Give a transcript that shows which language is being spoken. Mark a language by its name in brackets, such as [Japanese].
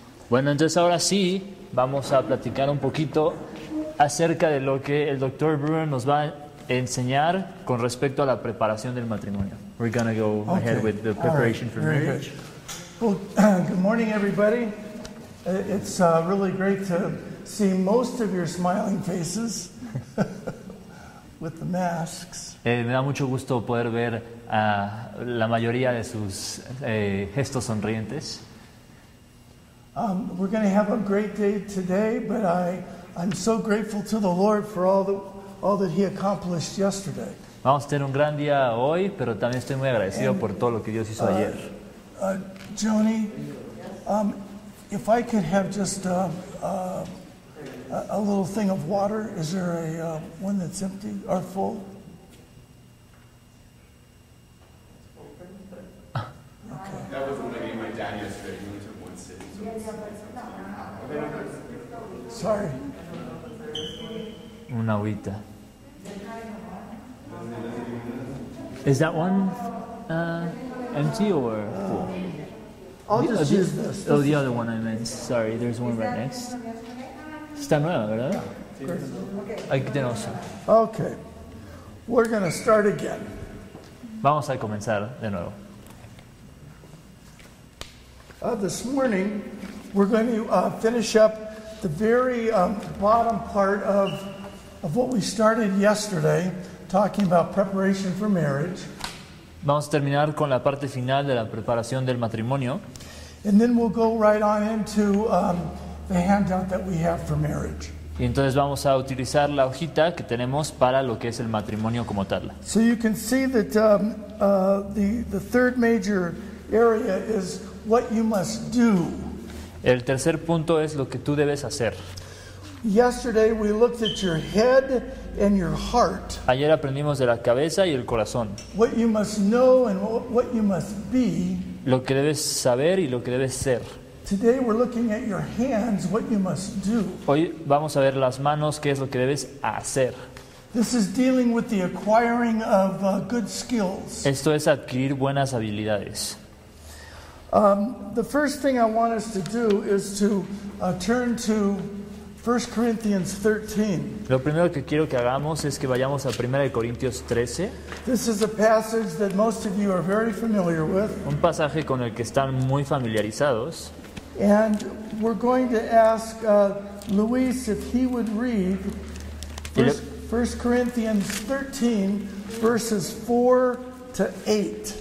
[Spanish] Bueno, entonces ahora sí vamos a platicar un poquito acerca de lo que el Dr. Brewer nos va a enseñar con respecto a la preparación del matrimonio. [English] We're going to go ahead with the preparation for marriage. Well, good morning, everybody. It's really great to see most of your smiling faces with the masks. [Spanish] Me da mucho gusto poder ver a la mayoría de sus gestos sonrientes. [English] We're going to have a great day today, but I'm so grateful to the Lord for all that He accomplished yesterday. [Spanish] Vamos a tener un gran día hoy, pero también estoy muy agradecido por todo lo que Dios hizo ayer. [English] Joni. If I could have just a little thing of water, is there one that's empty or full? Okay. That was when I gave my dad yesterday. He only took one sip. Sorry. [Spanish] Una agüita. [English] Is that one empty or full? I'll just use this. Oh, the other one I meant. Sorry, there's one right next. [Spanish] Está nueva, ¿verdad? Aquí tenemos. [English] Okay. We're going to start again. [Spanish] Vamos a comenzar de nuevo. [English] This morning, we're going to finish up the very bottom part of what we started yesterday, talking about preparation for marriage. [Spanish] Vamos a terminar con la parte final de la preparación del matrimonio. [English] And then we'll go right on into the handout that we have for marriage. [Spanish] Y entonces vamos a utilizar la hojita que tenemos para lo que es el matrimonio como tal. [English] So you can see that the third major area is what you must do. [Spanish] El tercer punto es lo que tú debes hacer. [English] Yesterday we looked at your head and your heart. [Spanish] Ayer aprendimos de la cabeza y el corazón. [English] What you must know and what you must be. [Spanish] Lo que debes saber y lo que debes ser. [English] Today we're looking at your hands, what you must do. [Spanish] Hoy vamos a ver las manos, qué es lo que debes hacer. [English] This is dealing with the acquiring of good skills. [Spanish] Esto es adquirir buenas habilidades. [English] The first thing I want us to do is to turn to 1 Corinthians 13. [Spanish] Lo primero que quiero que hagamos es que vayamos a 1 Corintios 13. [English] This is a passage that most of you are very familiar with. [Spanish] Un pasaje con el que están muy familiarizados. [English] And we're going to ask Luis if he would read 1 Corinthians 13, verses 4 to 8.